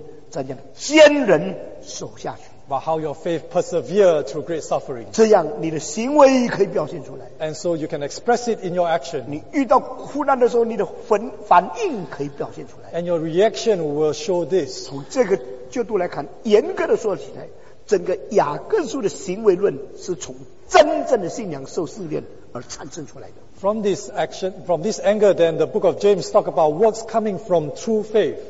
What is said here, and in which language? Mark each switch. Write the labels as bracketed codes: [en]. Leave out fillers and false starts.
[zh] 看你真的信在试验的过程中间怎样坚忍守下去, [en] but how your faith persevere through great suffering. [zh] 这样你的行为可以表现出来, [en] and so you can express it in your action. [zh] 你遇到苦难的时候你的反应可以表现出来, [en] and your reaction will show this. [zh] 从这个角度来看, 严格地说起来, 整个雅各书的行为论是从真正的信仰受试炼而产生出来的。 [en] From this action, from this anger, then the book of James talks about works coming from true faith.